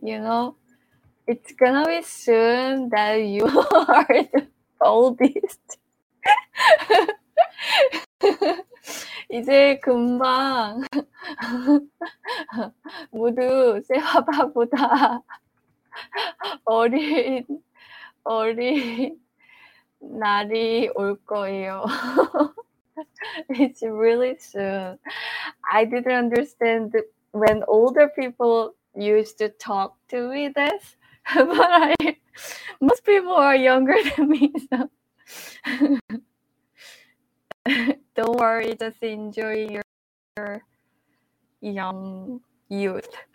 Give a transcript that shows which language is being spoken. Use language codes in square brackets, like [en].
[en] You know, it's gonna be soon that you are the oldest. [ko] 이제 금방 모두 세바바보다 어린 날이 올 거예요. [en] It's really soon. I didn't understand when older people used to talk to me this, but most people are younger than me. So. Don't worry, just enjoy your young youth.